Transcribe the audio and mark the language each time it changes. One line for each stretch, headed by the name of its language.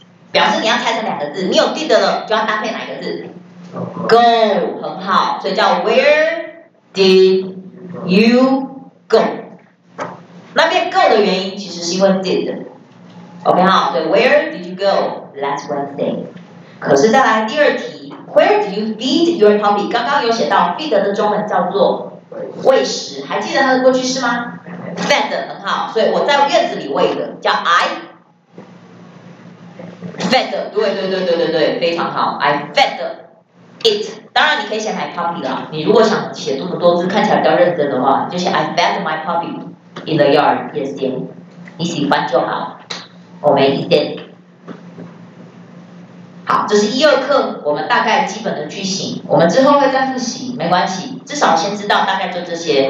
Chinese: 表示你要猜成两个字，你有 did 了，就要搭配哪个字 ？Go， 很好，所以叫
English: Where did you go？
Chinese: 那边 go 的原因其实是因为 did。
English: OK 好，所以 Where did you go last Wednesday？
Chinese: 可是再来第二题
English: ，Where do you feed your puppy？
Chinese: 刚刚有写到 feed 的中文叫做喂食，还记得它的过去式吗 ？Fed 很好，所以我在院子里喂的，叫
English: I fed。
Chinese: 对，非常好 ，
English: I fed it。
Chinese: 当然你可以写 my puppy 啦，你如果想写这么多字看起来比较认真的话，就写
English: I fed my puppy in the yard
Chinese: 也行，你喜欢就好。我没意见。好，这是一二课我们大概基本的句型，我们之后会再复习，没关系，至少先知道大概就这些。